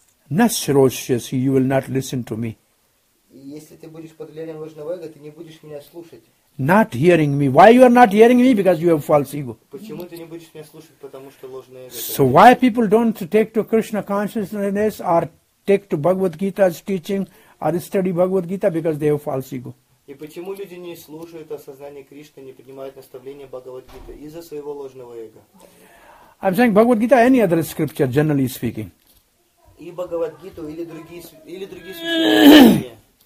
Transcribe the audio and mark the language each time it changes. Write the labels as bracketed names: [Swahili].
[English] Насрочься, you will not listen to me. [Russian] Если ты будешь под влиянием ложного эго, ты не будешь меня слушать. [English] Not hearing me. Why you are not hearing me? Because you have false ego. [Russian] Почему ты не будешь меня слушать, потому что ложное эго? [English] So why people don't take to Krishna consciousness or take to Bhagavad Gita's teaching or study Bhagavad Gita? Because they have false ego. [Russian] И почему люди не слушают осознание Кришны, не принимают наставления Бхагавад Гита из-за своего ложного эго? [English] I'm saying Bhagavad Gita, any other scripture, generally speaking. [Russian] И Бхагавад Гиту или другие священные.